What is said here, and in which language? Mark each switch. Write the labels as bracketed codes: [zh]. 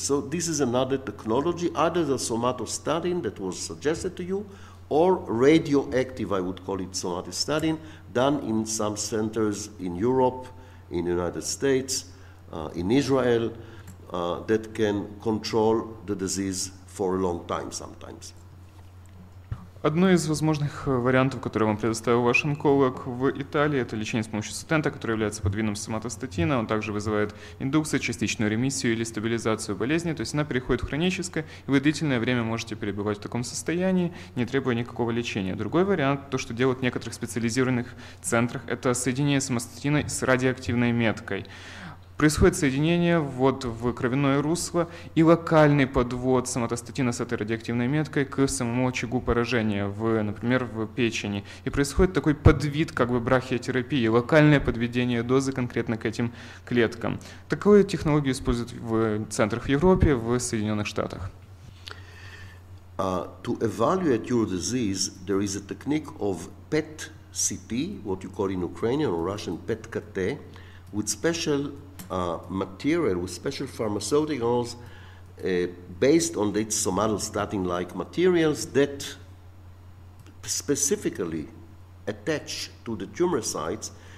[en] So this is another technology, either the somatostatin that was suggested to you, or radioactive, I would call it, somatostatin, done in some centers in Europe, in the United States, in Israel, that can control the disease for a long time sometimes. [ru] Одно из возможных вариантов, которые вам предоставил ваш онколог в Италии, это лечение с помощью стента, который является подвидом соматостатина. Он также вызывает индукцию, частичную ремиссию или стабилизацию болезни. То есть она переходит в хроническое, и вы длительное время можете пребывать в таком состоянии, не требуя никакого лечения. Другой вариант, то, что делают в некоторых специализированных центрах, это соединение соматостатина с радиоактивной меткой. Происходит соединение вот в кровяное русло и локальный подвод соматостатина с этой радиоактивной меткой к самому очагу поражения, например, в печени. И происходит такой подвид как бы брахиотерапии, локальное подведение дозы конкретно к этим клеткам. Такую технологию используют в центрах в Европе, в Соединенных Штатах. [en] To evaluate your disease, there is a technique of PET-CT, what you call in Ukrainian or Russian PET-CT, with special material, with special pharmaceuticals based on the somatostatin-like materials that specifically attach to the tumor sites.